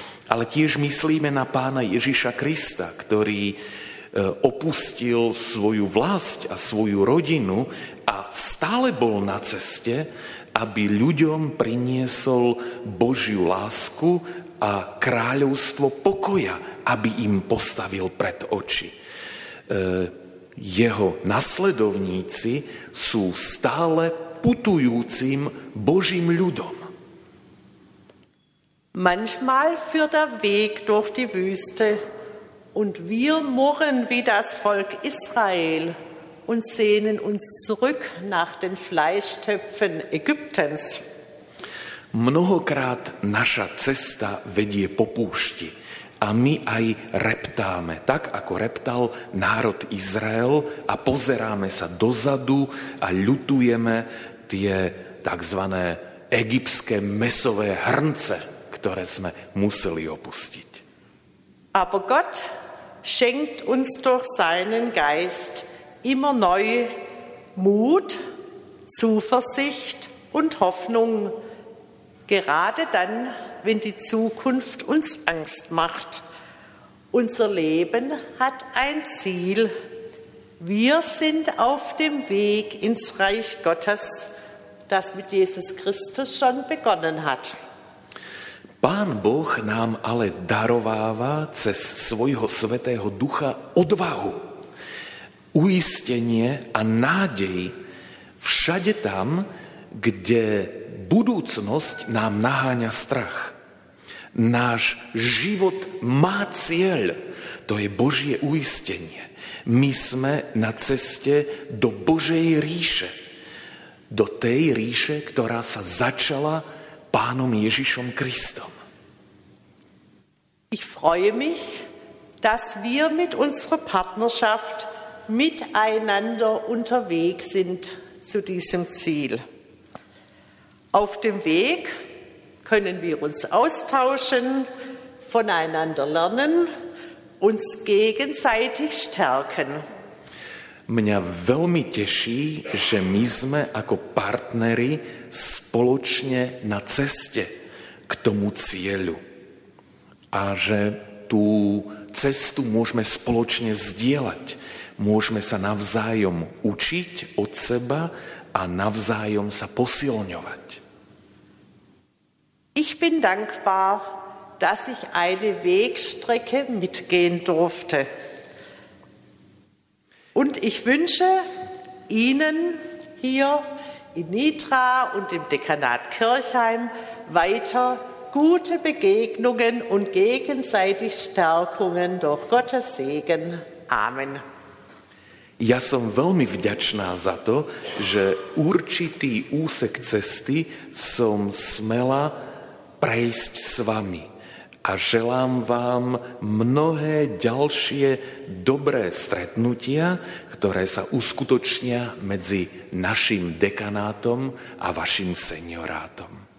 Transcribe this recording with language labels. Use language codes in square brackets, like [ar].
[sk] Ale tiež myslíme na pána Ježiša Krista, ktorý opustil svoju vlast a svoju rodinu a stále bol na ceste, aby ľuďom priniesol Božiu lásku a kráľovstvo pokoja, aby im postavil pred oči. Jeho nasledovníci sú stále putujúcim Božím ľudom. [de] Manchmal führt der Weg durch die Wüste und wir murren wie das Volk Israel und sehnen uns zurück nach den Fleischtöpfen Ägyptens. [sk] Mnohokrát naša cesta vedie po púšti a my aj reptáme, tak ako reptal národ Izrael, a pozeráme sa dozadu a ľutujeme tie takzvané egyptské mesové hrnce, ktoré sme museli opustiť. [de] Aber Gott schenkt uns durch seinen Geist immer neu Mut, Zuversicht und Hoffnung, gerade dann, wenn die Zukunft uns Angst macht. Unser Leben hat ein Ziel. Wir sind auf dem Weg ins Reich Gottes, das mit Jesus Christus schon begonnen hat. [sk] Pán Boh nám ale darováva cez svojho Svätého Ducha odvahu, uistenie a nádej všade tam, kde budúcnosť nám naháňa strach. Náš život má cieľ, to je Božie uistenie. My sme na ceste do Božej ríše, do tej ríše, ktorá sa začala Pánom Ježišom Kristom. [de] Ich freue mich, dass wir mit unserer Partnerschaft miteinander unterwegs sind zu diesem Ziel. Auf dem Weg können wir uns austauschen, voneinander lernen, uns gegenseitig stärken. [sk] Mňa veľmi teší, že my sme ako partneri spoločne na ceste k tomu cieľu. A že tú cestu môžeme spoločne zdieľať. Môžeme sa navzájom učiť od seba a navzájom sa posilňovať. [de] Ich bin dankbar, dass ich eine Wegstrecke mitgehen durfte. Und ich wünsche Ihnen hier in Nitra und im Dekanat Kirchheim weiter gute Begegnungen und gegenseitig Stärkungen durch Gottes Segen. Amen. [sk] Ja som veľmi vďačná za to, že určitý úsek cesty som smela prejsť s vami. A želám vám mnohé ďalšie dobré stretnutia, ktoré sa uskutočnia medzi našim dekanátom a vašim seniorátom.